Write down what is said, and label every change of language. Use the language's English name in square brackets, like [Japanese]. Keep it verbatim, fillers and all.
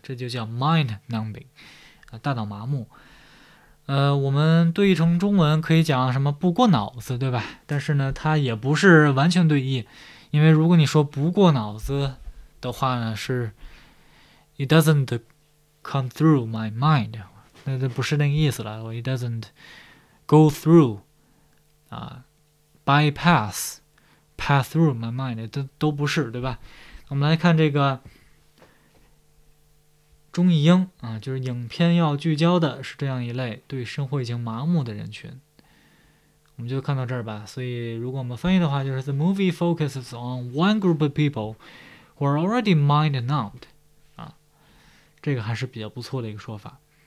[Chinese] 这就叫 mind numbing， 啊，大脑麻木。呃，我们对译成中文可以讲什么不过脑子，对吧？但是呢，它也不是完全对译，因为如果你说不过脑子的话呢，是 [English] it doesn't come through my mind， [Chinese] 那这不是那个意思了。 [English] it doesn't go through， 啊、uh, ，bypass， pass through my mind， [Chinese] 都都不是，对吧？我们来看这个中译英啊，就是影片要聚焦的是这样一类对生活已经麻木的人群。我们就看到这儿吧。所以如果我们翻译的话，就是 [English] The movie focuses on one group of people who are already mind numbed， [Chinese] 啊，这个还是比较不错的一个说法。